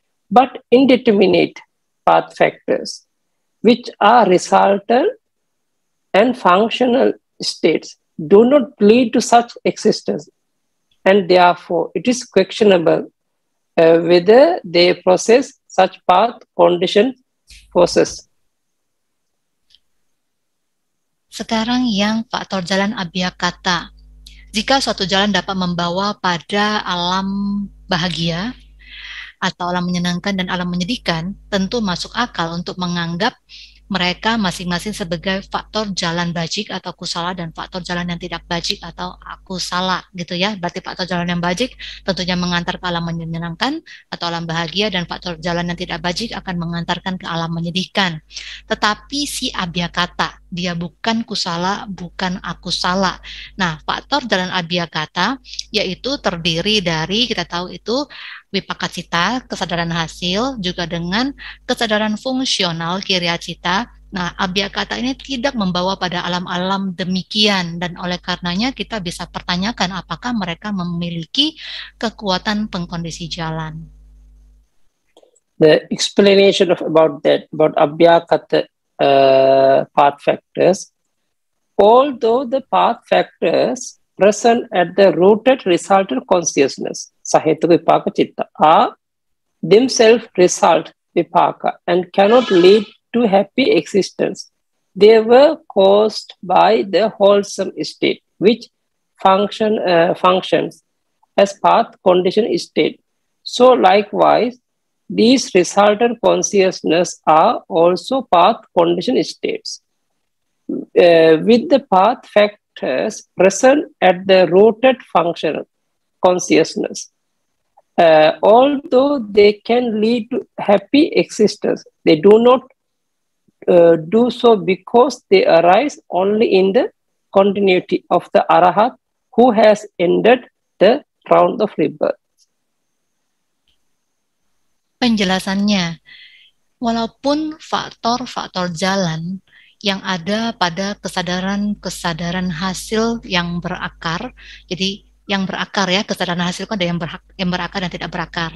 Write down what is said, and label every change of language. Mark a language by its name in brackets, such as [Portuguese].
[English] But indeterminate path factors, which are resultant and functional states, do not lead to such existence, and therefore it is questionable whether they possess such path condition forces. [Indonesian] Sekarang yang faktor jalan abhyagata. Jika suatu jalan dapat membawa pada alam bahagia atau alam menyenangkan dan alam menyedihkan, tentu masuk akal untuk menganggap mereka masing-masing sebagai faktor jalan bajik atau kusala dan faktor jalan yang tidak bajik atau akusala, gitu ya. Berarti faktor jalan yang bajik tentunya mengantar ke alam menyenangkan atau alam bahagia, dan faktor jalan yang tidak bajik akan mengantarkan ke alam menyedihkan. Tetapi si abhyagata, dia bukan kusala, bukan akusala. Nah, faktor jalan abhyagata yaitu terdiri dari, kita tahu itu wipakacita, kesadaran hasil, juga dengan kesadaran fungsional, kriyacita. Nah, abhyagata ini tidak membawa pada alam-alam demikian, dan oleh karenanya kita bisa pertanyakan apakah mereka memiliki kekuatan pengkondisi jalan. [English] The explanation of about that, about abhyagata path factors. Although the path factors present at the rooted resultant consciousness, sahetu vipaka citta, are themselves result vipaka and cannot lead to happy existence. They were caused by the wholesome state, which functions as path condition state. So likewise, these resultant consciousness are also path condition states. With the path factors present at the rooted functional consciousness, although they can lead to happy existence, they do not do so because they arise only in the continuity of the arahat who has ended the round of rebirth. [Indonesian] Penjelasannya, walaupun faktor-faktor jalan yang ada pada kesadaran-kesadaran hasil yang berakar, jadi yang berakar ya, kesadaran hasil kan ada yang berakar dan tidak berakar.